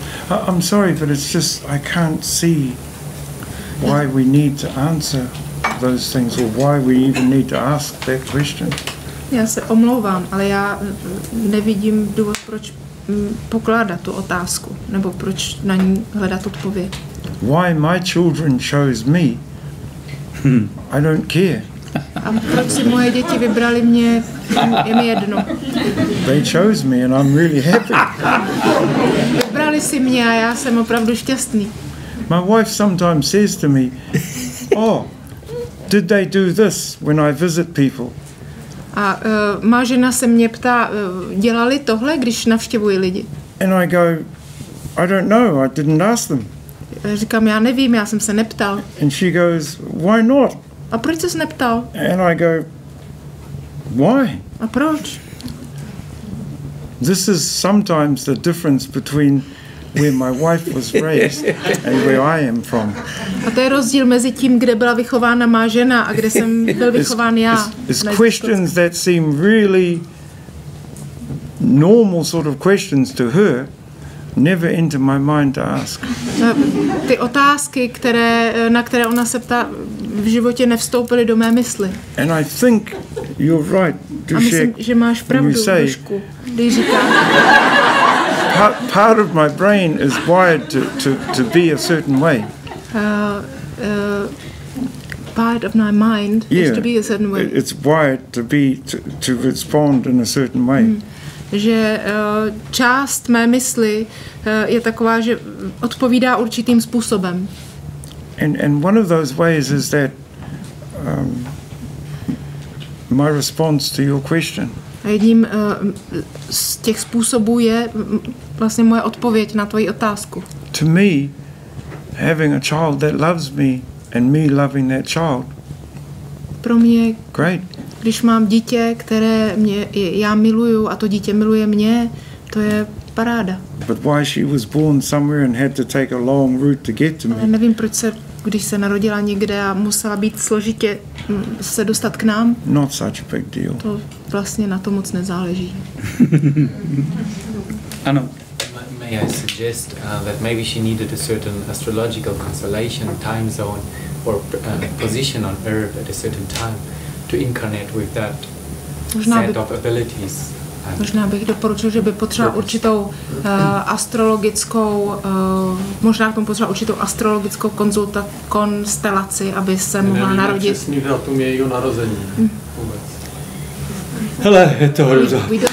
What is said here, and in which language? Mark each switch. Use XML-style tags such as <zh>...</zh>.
<en>I'm sorry, but it's just I can't see why we need to answer those things or why we even need to ask that question.</en> <cs>Já se omlouvám, ale já nevidím důvod, proč pokládat tu otázku, nebo proč na ní hledat odpověď.</cs> <en>Why my children chose me? I don't care.</en> <cs>A proč si moje děti vybrali mě, je mi jedno.</cs> <en>They chose me and I'm really happy.</en> <cs>Vybrali si mě a já jsem opravdu šťastný.</cs> <en>My wife sometimes says to me, oh, did they do this when I visit people?</en> <cs>A má žena se mě ptá, dělali tohle, když navštěvují lidi?</cs> <en>And I go, I don't know, I didn't ask them.</en> <cs>Říkám, já nevím, já jsem se neptal.</cs> <en>And she goes, why not?</en> <cs>A proč ses neptal?</cs> <en>And I go, why?</en> <cs>A proč?</cs> <en>This is sometimes the difference between where my wife was raised and where I am from.</en> <cs>A to je rozdíl mezi tím, kde byla vychována má žena a kde jsem byl vychován já.</cs> <en>It's questions that seem really normal sort of questions to her never enter my mind to ask.</en> <cs>Ty otázky, které, na které ona se ptá, v životě nevstoupily do mé mysli.</cs> <en>And I think you're right, Dušek.</en> <cs>A myslím, že máš pravdu, Dušku, když říkáš.</cs> <en>Part of my brain is wired to be a certain way. Part of my mind is to be a certain way. It's wired to be to respond in a certain way.</en> <cs>Že část mé mysli je taková, že odpovídá určitým způsobem.</cs> <en>And one of those ways is that my response to your question.</en> <cs>A jedním z těch způsobů je vlastně moje odpověď na tvoji otázku.</cs> <en>To me, having a child that loves me and me loving that child.</en> <cs>Pro mě. Great. Když mám dítě, které mě já miluju a to dítě miluje mě, to je paráda.</cs> <en>But why she was born somewhere and had to take a long route to get to me.</en> <cs>Ale nevím, proč se, když se narodila někde a musela být složitě se dostat k nám.</cs> <en>Not such a big deal.</en> <cs>To vlastně na to moc nezáleží. Ano.</cs> <en>May I suggest that maybe she needed a certain astrological constellation, time zone or position on earth at a certain time to incarnate with that set of abilities.</en> <cs>Možná bych doporučil, že by potřeboval určitou astrologickou, možná k tomu potřeboval určitou astrologickou konstelaci, aby se mohla narodit. Nevíme přesný datum jejího narození. Hele, je to hruza.</cs>